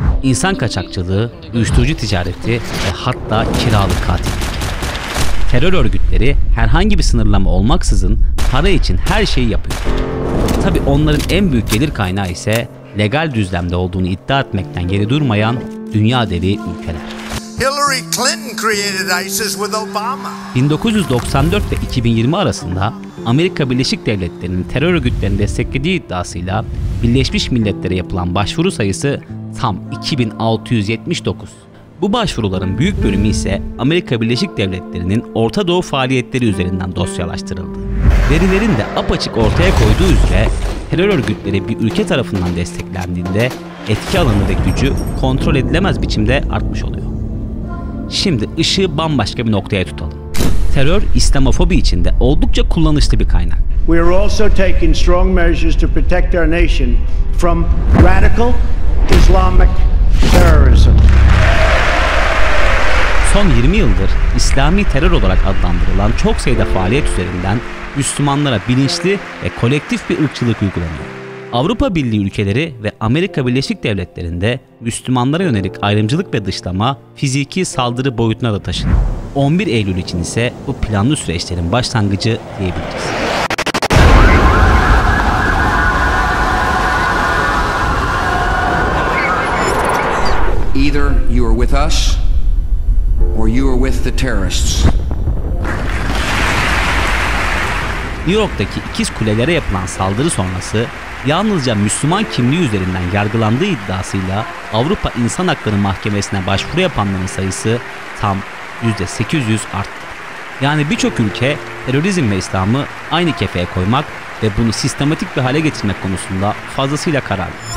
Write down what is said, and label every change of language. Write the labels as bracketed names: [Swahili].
[Turkish] İnsan kaçakçılığı, uyuşturucu ticareti ve hatta kiralık katillik. Terör örgütleri herhangi bir sınırlama olmaksızın para için her şeyi yapıyor. Tabii onların en büyük gelir kaynağı ise legal düzlemde olduğunu iddia etmekten geri durmayan dünya devi ülkeler. [English] Hillary Clinton created ISIS with Obama. [Turkish] 1994 ve 2020 arasında Amerika Birleşik Devletleri'nin terör örgütlerini desteklediği iddiasıyla Birleşmiş Milletler'e yapılan başvuru sayısı tam 2679. Bu başvuruların büyük bölümü ise Amerika Birleşik Devletleri'nin Orta Doğu faaliyetleri üzerinden dosyalaştırıldı. Verilerin de apaçık ortaya koyduğu üzere terör örgütleri bir ülke tarafından desteklendiğinde etki alanı ve gücü kontrol edilemez biçimde artmış oluyor. Şimdi ışığı bambaşka bir noktaya tutalım. Terör, İslamofobi içinde oldukça kullanışlı bir kaynak. [English] We are also taking strong measures to protect our nation from radical Islamic terrorism. [Turkish] Son 20 yıldır İslami terör olarak adlandırılan çok sayıda faaliyet üzerinden Müslümanlara bilinçli ve kolektif bir ırkçılık uygulanıyor. Avrupa Birliği ülkeleri ve Amerika Birleşik Devletleri'nde Müslümanlara yönelik ayrımcılık ve dışlama fiziki saldırı boyutuna da taşındı. 11 Eylül için ise bu planlı süreçlerin başlangıcı diyebiliriz. [English] Either you are with us or you are with the terrorists. [Turkish] New York'taki ikiz kulelere yapılan saldırı sonrası yalnızca Müslüman kimliği üzerinden yargılandığı iddiasıyla Avrupa İnsan Hakları Mahkemesi'ne başvuru yapanların sayısı tam %800 arttı. Yani birçok ülke terörizm ve İslam'ı aynı kefeye koymak ve bunu sistematik bir hale getirmek konusunda fazlasıyla kararlı.